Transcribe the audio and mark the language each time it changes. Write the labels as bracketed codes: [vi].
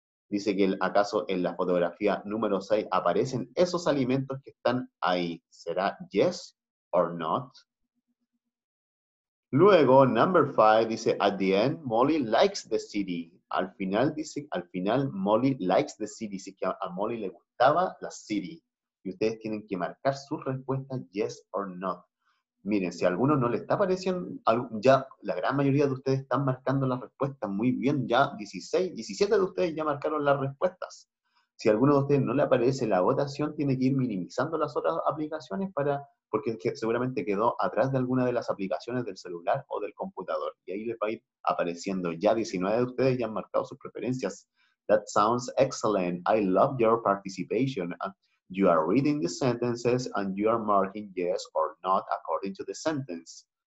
[es] Dice que acaso en la fotografía número 6 aparecen esos alimentos que están ahí. ¿Será [en] yes or not? Luego, number 5 dice, at the end, Molly likes the city. [es] Al final dice, al final, Molly [en] likes the city. [es] Dice que a Molly le gustaba la city. Y ustedes tienen que marcar su respuesta, [en] yes or not. [es] Miren, si a alguno no le está pareciendo, ya la gran mayoría de ustedes están marcando las respuestas muy bien. Ya 16, 17 de ustedes ya marcaron las respuestas. Si a alguno de ustedes no le aparece la votación, tiene que ir minimizando las otras aplicaciones para, porque es que seguramente quedó atrás de alguna de las aplicaciones del celular o del computador. Y ahí les va a ir apareciendo. Ya 19 de ustedes ya han marcado sus preferencias. [en] That sounds excellent. I love your participation. You are reading the sentences and you are marking yes or not according to the sentence.